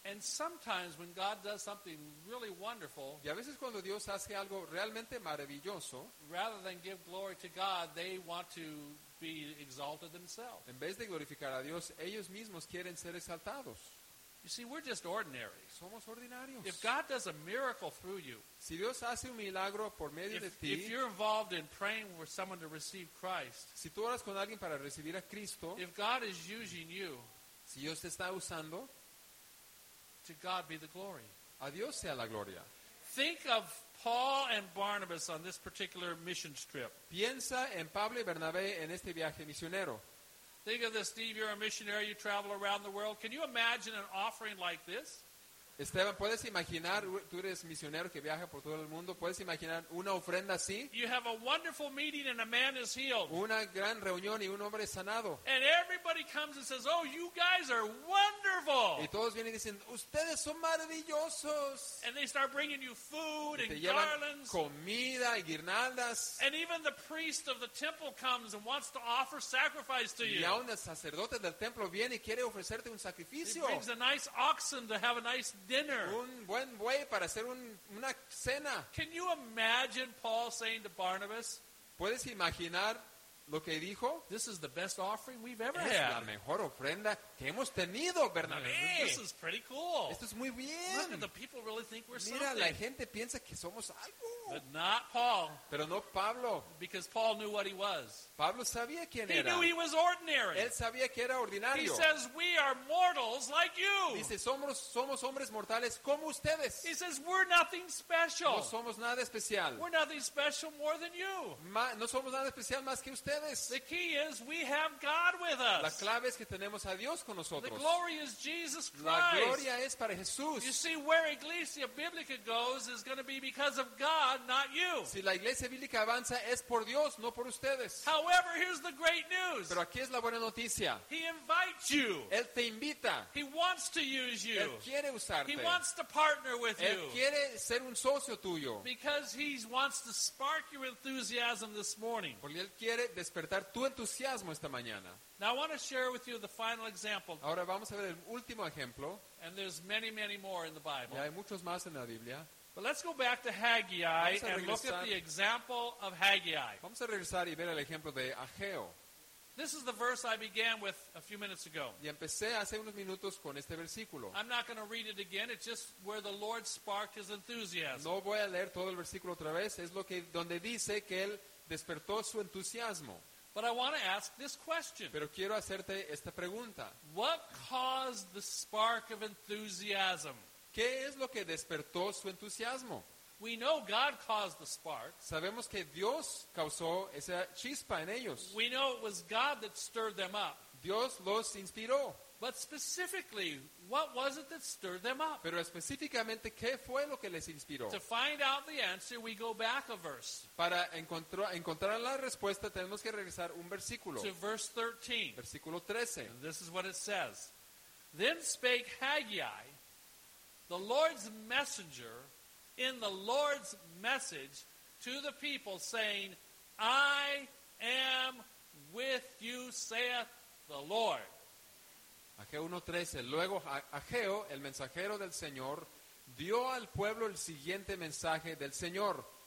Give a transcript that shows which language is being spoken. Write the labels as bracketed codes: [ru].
[en] And sometimes when God does something really wonderful, [es] y a veces cuando Dios hace algo realmente maravilloso, [en] rather than give glory to God, they want to be exalted themselves. [es] En vez de glorificar a Dios, ellos mismos quieren ser exaltados. [en] You see, we're just ordinary. [es] Somos ordinarios. [en] If God does a miracle through you, [es] si Dios hace un milagro por medio de ti, [en] if you're involved in praying for someone to receive Christ, [es] si tú oras con alguien para recibir a Cristo, [en] if God is using you, [es] si Dios te está usando, [en] to God be the glory. [es] A Dios sea la gloria. [en] Think of Paul and Barnabas on this particular mission trip. [es] Piensa en Pablo y Bernabé en este viaje misionero. [en] Think of this, Steve, you're a missionary, you travel around the world. Can you imagine an offering like this? [es] Esteban, ¿puedes imaginar, tú eres misionero que viaja por todo el mundo, puedes imaginar una ofrenda así? [en] You have a wonderful meeting and a man is healed. [es] Una gran reunión y un hombre es sanado. [en] And everybody comes and says, oh, you guys are wonderful. [es] Y todos vienen y dicen, ustedes son maravillosos. [en] And they start bringing you food [es] y [en] and garlands. [es] Comida y guirnaldas. [en] And even the priest of the temple comes and wants to offer sacrifice to you. [es] Y aún el sacerdote del templo viene y quiere ofrecerte un sacrificio. [en] He brings a nice oxen to have a nice dinner. [es] Un buen buey para hacer una cena. [en] Can you imagine Paul saying to Barnabas? [es] ¿Puedes imaginar lo que dijo? [en] This is the best offering we've ever [es] es [en] had. [es] La mejor ofrenda que hemos tenido, Bernabé. [en] Hey, this is pretty cool. [es] Esto es muy bien. [en] Look at the people really think we're [es] mira, [en] something. [es] La gente piensa que somos algo. [en] But not Paul. [es] Pero no Pablo. [en] Because Paul knew what he was. [es] Pablo sabía quién [en] he [es] era. [en] Knew he was ordinary. [es] Él sabía que era ordinario. [en] He says, we are mortals like you. [es] Dice, somos hombres mortales como ustedes. [en] He says, we're nothing special. [es] No somos nada especial. [en] We're nothing special more than you. [es] No somos nada especial más que ustedes. [en] The key is, we have God with us. [es] La clave es que tenemos a Dios con nosotros. [en] The glory is Jesus Christ. [es] La gloria es para Jesús. [en] You see, where Iglesia Biblica goes is going to be because of God, not you. [es] Si la Iglesia Bíblica avanza, es por Dios, no por ustedes. [en] However, here's the great news. [es] Pero aquí es la buena noticia. [en] He invites you. [es] Él te invita. [en] He wants to use you. [es] Él quiere usarte. [en] He wants to partner with [es] él [en] you. [es] Él quiere ser un socio tuyo. [en] Because he wants to spark your enthusiasm this morning. [es] Porque él quiere despertar tu entusiasmo esta mañana. [en] Now I want to share with you the final example. [es] Ahora vamos a ver el último ejemplo. [en] And there's many, many more in the Bible. [es] Y hay muchos más en la Biblia. [en] But let's go back to Haggai and look at the example of Haggai. [es] Vamos a regresar y ver el ejemplo de Ageo. [en] This is the verse I began with a few minutes ago. [es] Y empecé hace unos minutos con este versículo. [en] I'm not going to read it again. It's just where the Lord sparked his enthusiasm. [es] No voy a leer todo el versículo otra vez. Es lo que donde dice que él despertó su entusiasmo. [en] But I want to ask this question. [es] Pero quiero hacerte esta pregunta. [en] What caused the spark of enthusiasm? [es] ¿Qué es lo que despertó su entusiasmo? [en] We know God caused the spark. [es] Sabemos que Dios causó esa chispa en ellos. [en] We know it was God that stirred them up. [es] Dios los inspiró. [en] But specifically, what was it that stirred them up? [es] Pero específicamente, ¿qué fue lo que les inspiró? [en] To find out the answer, we go back a verse. [es] Para encontrar la respuesta, tenemos que regresar un versículo. [en] To verse 13. [es] Versículo 13. [en] And this is what it says. Then spake Haggai, the Lord's messenger, in the Lord's message to the people, saying, I am with you, saith the Lord. [es] Ageo 1:13. Luego Ageo, el mensajero del Señor, dio al pueblo el siguiente mensaje del Señor.